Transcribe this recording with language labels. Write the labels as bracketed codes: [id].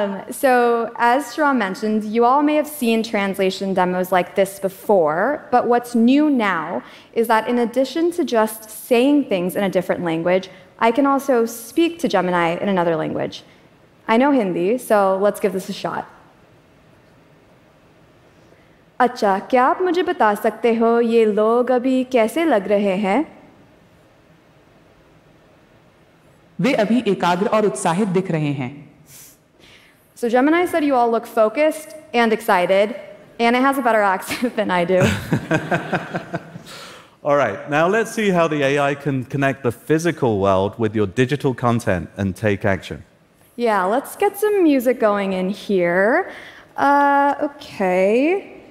[en] So as Shahram mentioned, you all may have seen translation demos like this before, but what's new now is that in addition to just saying things in a different language, I can also speak to Gemini in another language. I know Hindi, so let's give this a shot. [hi] अच्छा क्या आप मुझे बता सकते हो ये लोग अभी कैसे लग रहे हैं? वे अभी एकाग्र और उत्साहित दिख रहे हैं. [en] So Gemini said you all look focused and excited, and it has a better accent than I do. All right, now let's see how the AI can connect the physical world with your digital content and take action. Yeah, let's get some music going in here. Okay.